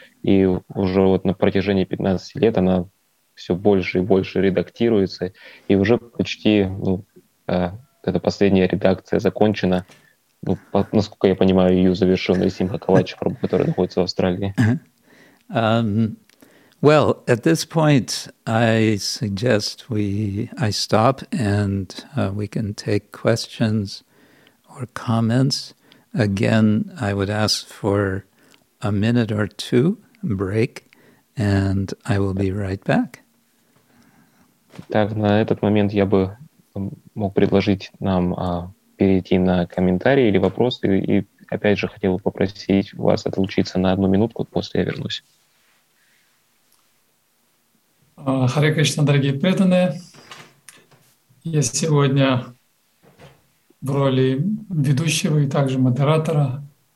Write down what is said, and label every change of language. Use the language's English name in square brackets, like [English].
[Russian] И уже вот на протяжении 15 лет она все больше и больше редактируется. И уже почти эта последняя редакция закончена. Ну, насколько я понимаю, ее завершил Нрсингха Кавач, который находится в Австралии. [English] Well, at this point, I suggest I stop and we can take questions or comments. Again, I would ask for a minute or two break, and I will be right back. [Russian] Так, на этот момент я бы мог предложить нам перейти на комментарии или вопросы, и опять же хотел бы попросить вас отлучиться на одну минутку, после я вернусь. Харе Кришна, дорогие преданные, я сегодня в роли ведущего и также модератора.